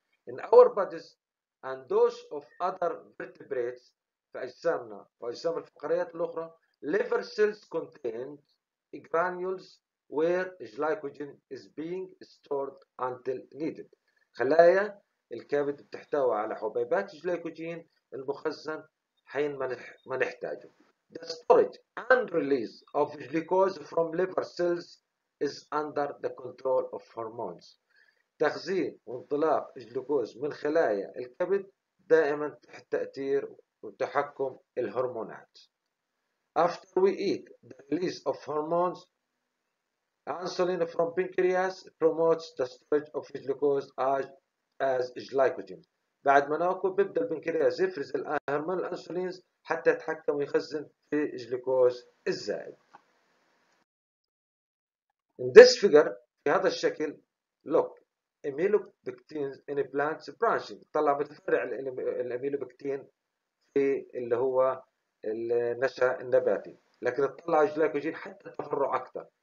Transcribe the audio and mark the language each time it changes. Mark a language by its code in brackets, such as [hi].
[en] In our bodies and those of other vertebrates، [ar] في أجسامنا وأجسام الفقريات الأخرى، [en] liver cells contain granules where glycogen is being stored until needed. [ar] خلايا الكبد بتحتوي على حبيبات جلايكوجين المخزن حين ما نحتاجه. [en] The storage and release of glucose from liver cells is under the control of hormones. [ar] تخزين وانطلاق الجلوكوز من خلايا الكبد دائما تحت تأثير وتحكم الهرمونات. [en] After we eat, the release of hormones, insulin from pancreas promotes the storage of glucose as glycogen. [ar] بعد ما ناكل بيبدأ البنكرياس يفرز هرمون الأنسولين حتى يتحكم ويخزن في الجلوكوز الزائد. [en] In this figure, [ar] في هذا الشكل, [en] look, amylopectin in a plant's branching. [ar] طلع متفرع الأميلوبكتين في اللي هو النشأ النباتي، لكن تطلع الجلايكوجين حتى تفرع أكثر.